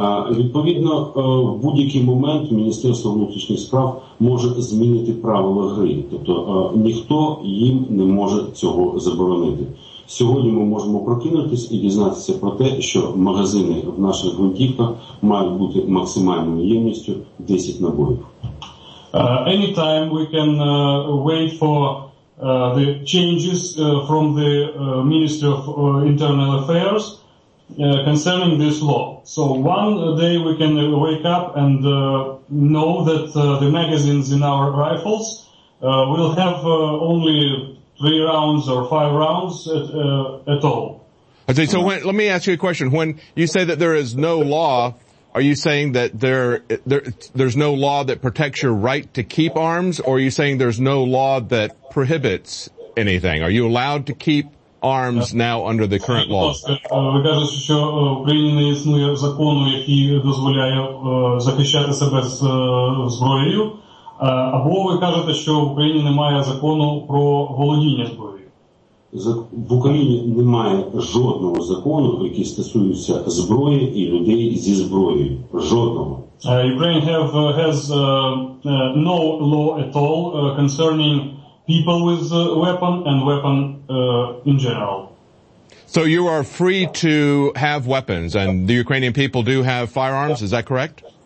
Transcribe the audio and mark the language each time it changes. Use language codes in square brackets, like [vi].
[uk] Відповідно, в будь-який момент Міністерство внутрішніх справ може змінити правила гри. Тобто ніхто їм не може цього заборонити. Сьогодні ми можемо прокинутись і дізнатися про те, що магазини в наших гвинтівках мають бути максимальною ємністю 10 набоїв. [en] Anytime we can wait for the changes from the Ministry of Internal Affairs concerning this law. So one day we can wake up and know that the magazines in our rifles will have only 3 rounds or 5 rounds at all. Okay, so let me ask you a question. When you say that there is no law, are you saying that there's no law that protects your right to keep arms, or are you saying there's no law that prohibits anything? Are you allowed to keep arms now under the current law? [uk] Ви кажете, що в Україні не існує закону, який дозволяє захищати себе з зброєю, або ви кажете, що в Україні немає закону про володіння зброєю? В Україні немає жодного закону, який стосується зброї і людей зі зброєю. Жодного. [en] Ukraine has no law at all concerning people with weapon and weapon in general. So you are free to have weapons, and the Ukrainian people do have firearms, is that correct?